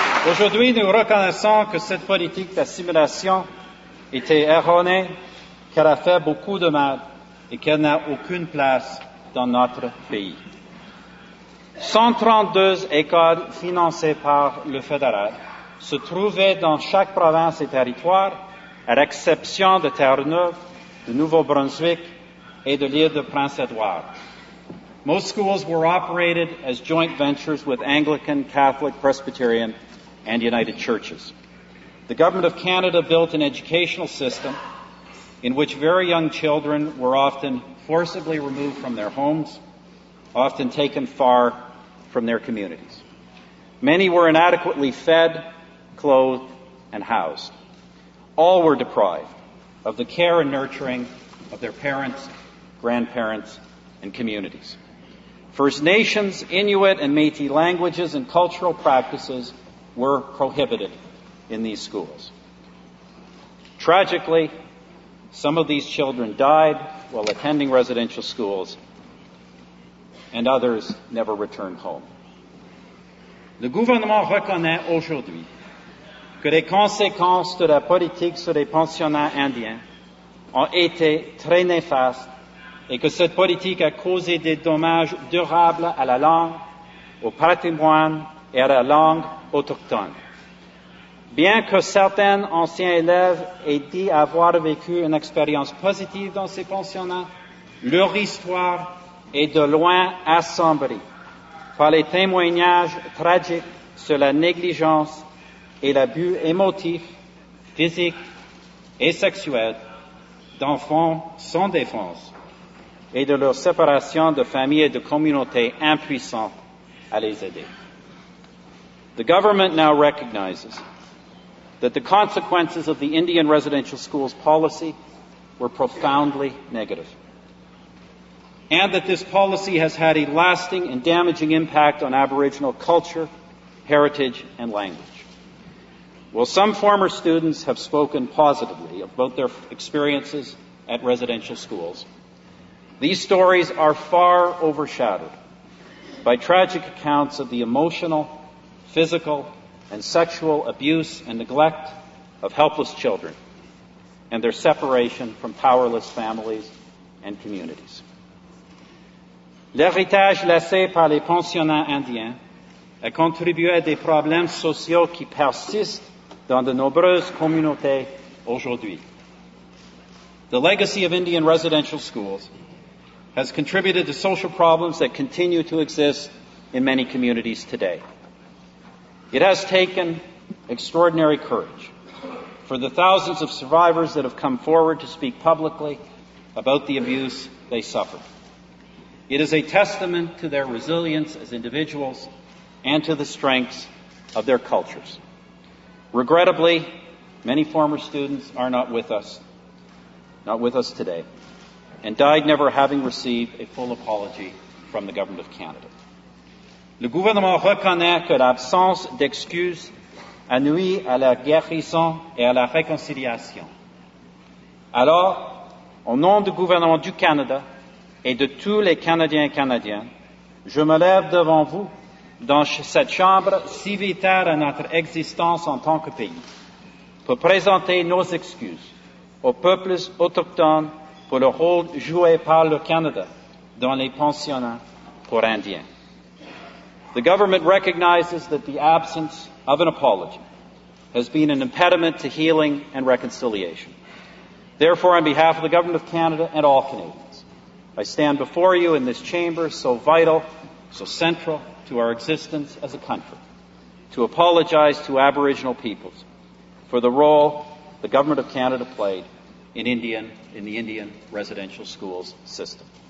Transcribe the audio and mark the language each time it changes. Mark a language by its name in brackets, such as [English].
[French] Aujourd'hui, nous reconnaissons que cette politique d'assimilation était erronée, qu'elle a fait beaucoup de mal, et qu'elle n'a aucune place dans notre pays. 132 écoles financées par le fédéral se trouvaient dans chaque province et territoire, à l'exception de Terre-Neuve, de Nouveau-Brunswick et de l'île de Prince-Édouard. [English] Most schools were operated as joint ventures with Anglican, Catholic, Presbyterian and United Churches. The Government of Canada built an educational system in which very young children were often forcibly removed from their homes, often taken far from their communities. Many were inadequately fed, clothed, and housed. All were deprived of the care and nurturing of their parents, grandparents, and communities. First Nations, Inuit, and Métis languages and cultural practices were prohibited in these schools. Tragically, some of these children died while attending residential schools, and others never returned home. [French] Le gouvernement reconnaît aujourd'hui que les conséquences de la politique sur les pensionnats indiens ont été très néfastes et que cette politique a causé des dommages durables à la langue, au patrimoine et à la langue autochtone. Bien que certains anciens élèves aient dit avoir vécu une expérience positive dans ces pensionnats, leur histoire est de loin assombrie par les témoignages tragiques sur la négligence et l'abus émotif, physique et sexuel d'enfants sans défense et de leur séparation de familles et de communautés impuissantes à les aider. [English] The government now recognizes that the consequences of the Indian residential schools policy were profoundly negative, and that this policy has had a lasting and damaging impact on Aboriginal culture, heritage, and language. While some former students have spoken positively about their experiences at residential schools, these stories are far overshadowed by tragic accounts of the emotional, physical, and sexual abuse and neglect of helpless children and their separation from powerless families and communities. [French] L'héritage laissé par les pensionnats indiens a contribué à des problèmes sociaux qui persistent dans de nombreuses communautés aujourd'hui. [English] The legacy of Indian residential schools has contributed to social problems that continue to exist in many communities today. It has taken extraordinary courage for the thousands of survivors that have come forward to speak publicly about the abuse they suffered. It is a testament to their resilience as individuals and to the strengths of their cultures. Regrettably, many former students are not with us today, and died never having received a full apology from the Government of Canada. [French] Le gouvernement reconnaît que l'absence d'excuses a nui à la guérison et à la réconciliation. Alors, au nom du gouvernement du Canada et de tous les Canadiens et Canadiennes, je me lève devant vous dans cette chambre si vitale à notre existence en tant que pays pour présenter nos excuses aux peuples autochtones pour le rôle joué par le Canada dans les pensionnats pour Indiens. [English] The government recognizes that the absence of an apology has been an impediment to healing and reconciliation. Therefore, on behalf of the Government of Canada and all Canadians, I stand before you in this chamber so vital, so central to our existence as a country, to apologize to Aboriginal peoples for the role the Government of Canada played in the Indian residential schools system.